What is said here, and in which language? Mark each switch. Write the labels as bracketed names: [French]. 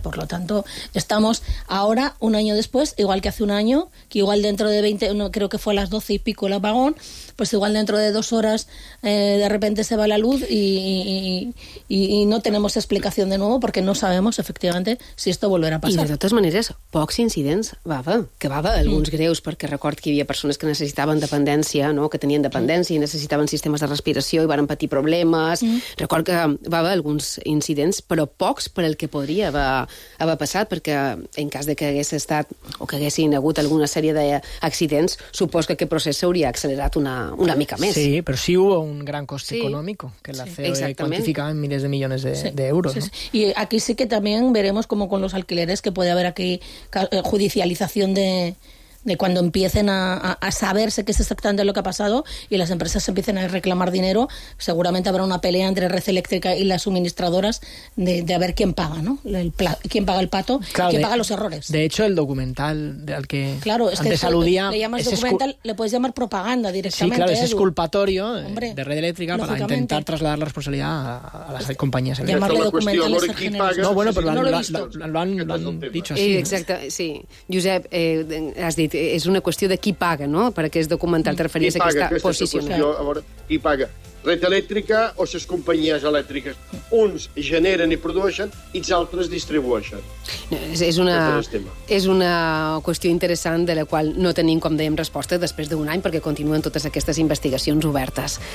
[Spanish] Por lo tanto, estamos ahora, un año después, igual que hace un año, que igual dentro de 20, no, creo que fue a las 12 y pico el apagón, pues igual dentro de 2 horas de repente se va la luz y no tenemos explicación de nuevo, porque no sabemos efectivamente si esto volverá a pasar. [Catalan] Y de totes maneres, pocs incidents va haver, que va haver alguns greus, perquè record que hi havia persones que necessitaven dependència, no?, que tenien dependència i necessitaven sistemes de respiració i varen patir problemes. Record que va haver alguns incidents, però pocs per el que podria haver passat, perquè en cas de que hagués estat o que haguessin hagut alguna sèrie d'accidents, supos que aquest procés s'hauria accelerat una mica més. Sí, però [Spanish] sí hubo [Catalan] un gran cost econòmic, que la CEO quantificava en milers de milions d'euros. Sí. I aquí sí que també [Spanish] veremos com con los alquileres, que puede haber aquí judicialización de cuando empiecen a saberse qué es exactamente lo que ha pasado y las empresas empiecen a reclamar dinero, seguramente habrá una pelea entre Red Eléctrica y las suministradoras de a ver quién paga, ¿no? ¿Quién paga el pato? Claro, ¿quién paga los errores? De hecho, el documental al que claro, es antes que aludía... Le llamas documental, le puedes llamar propaganda directamente. Sí, claro, es exculpatorio de Red Eléctrica para intentar trasladar la responsabilidad a las compañías. Llamarle documental es no, bueno, pero lo han dicho así. Exacto, sí. [Catalan] Josep, has dit és una qüestió de qui paga, no? Per aquest documental te referies a aquesta posició. Qui paga? Qui paga? Red Elèctrica o ses companyies elèctriques? Uns generen i produeixen i els altres distribueixen. No, és una qüestió interessant de la qual no tenim, com dèiem, resposta després d'un any perquè continuen totes aquestes investigacions obertes.